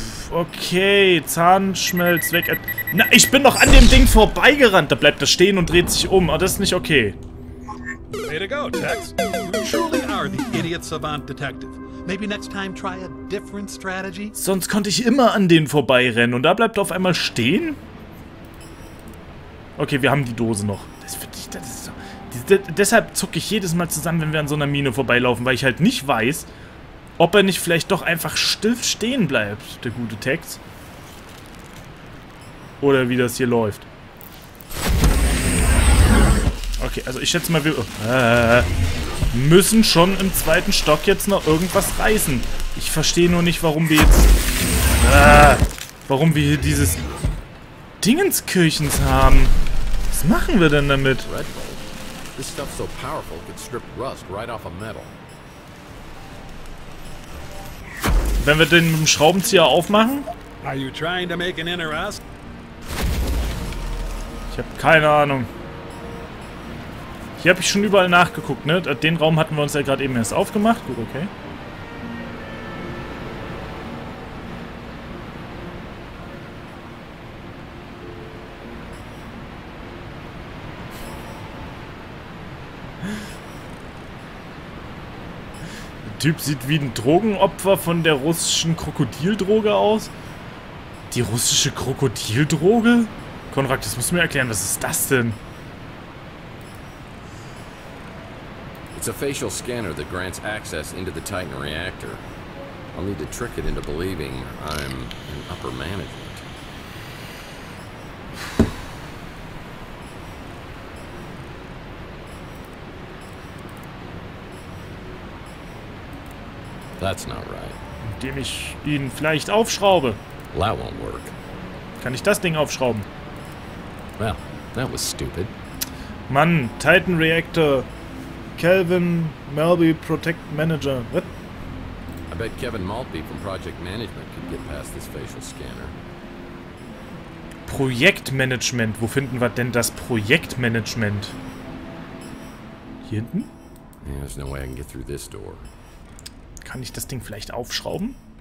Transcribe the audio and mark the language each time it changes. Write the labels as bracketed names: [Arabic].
[German] Okay, Zahnschmelz weg. Na, ich bin doch an dem Ding vorbeigerannt. Da bleibt das stehen und dreht sich um. Aber das ist nicht okay. [English] Way to go, Tex. Surely are the idiot savant detective. Maybe next time try a different strategy. [German] Sonst konnte ich immer an denen vorbeirennen und da bleibt er auf einmal stehen? Okay, wir haben die Dose noch. Das für dich, das ist so. Deshalb zucke ich jedes Mal zusammen, wenn wir an so einer Mine vorbeilaufen, weil ich halt nicht weiß, ob er nicht vielleicht doch einfach still stehen bleibt, der gute Tex. Oder wie das hier läuft. Okay, also ich schätze mal, wir müssen schon im zweiten Stock jetzt noch irgendwas reißen. Ich verstehe nur nicht, warum wir jetzt... warum wir hier dieses Dingenskirchens haben. Was machen wir denn damit? [English] This stuff's so powerful, it could strip rust right off of metal. [German] Wenn wir den mit dem Schraubenzieher aufmachen? [English] Are you trying to make an inner rust? [German] Ich habe keine Ahnung. Hier habe ich schon überall nachgeguckt, ne? Den Raum hatten wir uns ja gerade eben erst aufgemacht. Gut, okay. Typ sieht wie ein Drogenopfer von der russischen Krokodildroge aus. Die russische Krokodildroge? Konrad, das musst du mir erklären, was ist das denn? [English] It's a facial scanner that grants access into the Titan reactor. I'll need to trick it into believing I'm in upper management. That's not right. [German] Indem ich ihn vielleicht aufschraube. [English] That won't work. [German] Kann ich das Ding aufschrauben? [English] Well, that was stupid. Mann, Titan Reactor. Kelvin Malby, Protect Manager. What? I bet Kevin Malby from Project Management could get past this facial scanner. [German] Projektmanagement. Wo finden wir denn das Projektmanagement? Hier hinten? [English] Yeah, there's no way I can get through this door. [German] Kann ich das Ding vielleicht aufschrauben?